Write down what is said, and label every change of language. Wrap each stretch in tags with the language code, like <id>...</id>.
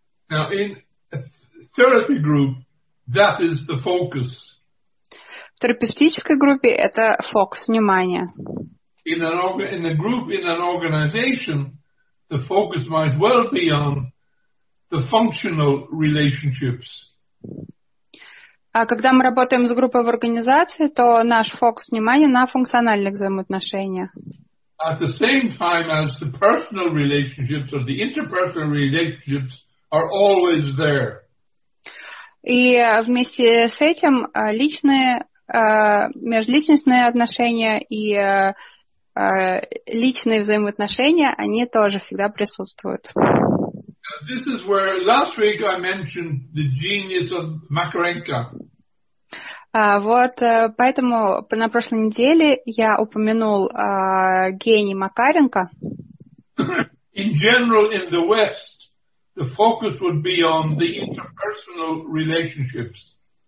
<en>Now, in a therapy group, that is the focus.</en> <ru>В терапевтической группе это фокус внимания.</ru> <en>In a group in an organization, the focus might well be on the functional relationships.</en> <ru>А когда мы работаем с группой в организации, то наш фокус внимания на функциональных взаимоотношениях.</ru> <en>At the same time as the personal relationships or the interpersonal relationships are always there.</en> <ru>И вместе с этим личные, межличностные отношения и личные взаимоотношения, они тоже всегда присутствуют.</ru> <en>This is where last week I mentioned the genius of Makarenka.</en> <ru>Вот поэтому на прошлой неделе я упомянул гений Макаренко.</ru> <en>In general, in the West, the focus would be on the interpersonal relationships.</en>